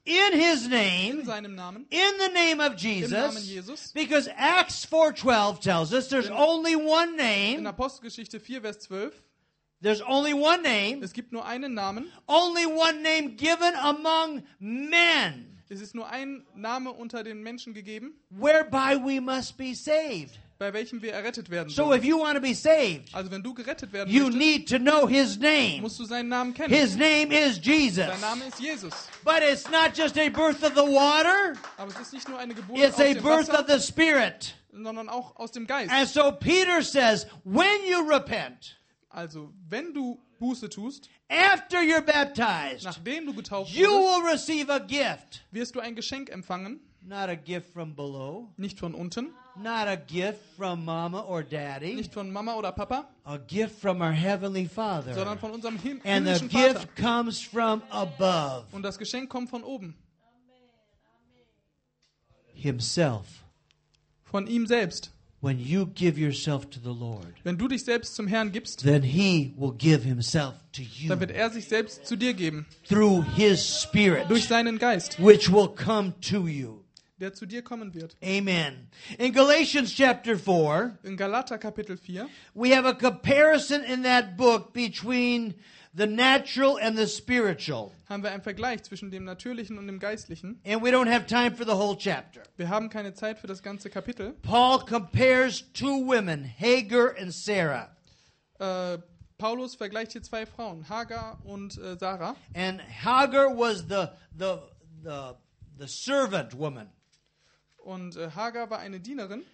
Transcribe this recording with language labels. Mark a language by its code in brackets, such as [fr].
[en] in his name, [de] in seinem Namen, [en] in the name of Jesus, [de] im Namen Jesus, [en] because Acts 4:12 tells us there's only one name, [de] in Apostelgeschichte 4, Vers 12, [en] there's only one name, [de] es gibt nur einen Namen, [en] only one name given among men, [de] es ist nur ein Name unter den Menschen gegeben, [en] whereby we must be saved, [de] bei welchem wir errettet werden sollen. [en] So if you want to be saved, [de] also wenn du gerettet werden [en] you [de] möchtest, [en] need to know his name. [de] Musst du seinen Namen kennen. [en] His name is Jesus. [de] Sein Name ist Jesus. [en] But it's not just a birth of the water. [de] Aber es ist nicht nur eine Geburt aus dem Wasser. [en] It's a birth of the Spirit. [de] Sondern auch aus dem Geist. [en] And so Peter says, when you repent, [de] also wenn du Buße tust, [en] after you're baptized, [de] nachdem du getauft wurdest, [en] you will receive a gift. [de] Wirst du ein Geschenk empfangen? [en] Not a gift from below. [de] Nicht von unten. [en] Not a gift from mama or daddy. [de] Nicht von Mama oder Papa. [en] A gift from our heavenly Father. [de] Sondern von unserem himmlischen Vater. [en] And the gift comes from above. [de] Und das Geschenk kommt von oben. [en] Himself. [de] Von ihm selbst. [en] When you give yourself to the Lord, [de] wenn du dich selbst zum Herrn gibst, [en] then he will give himself to you, [de] dann wird er sich selbst zu dir geben, [en] through his Spirit, [de] durch seinen Geist, [en] which will come to you, [de] der zu dir kommen wird. [en] Amen. In Galatians chapter 4, [de] in Galater Kapitel 4, [en] we have a comparison in that book between the natural and the spiritual. [de] Haben wir einen Vergleich zwischen dem natürlichen und dem geistlichen? [en] And we don't have time for the whole chapter. [de] Wir haben keine Zeit für das ganze Kapitel. [en] Paul compares two women, Hagar and Sarah. [de] Paulus vergleicht hier zwei Frauen, Hagar und Sarah. [en] And Hagar was the servant woman. [de] Und Hagar war eine Dienerin.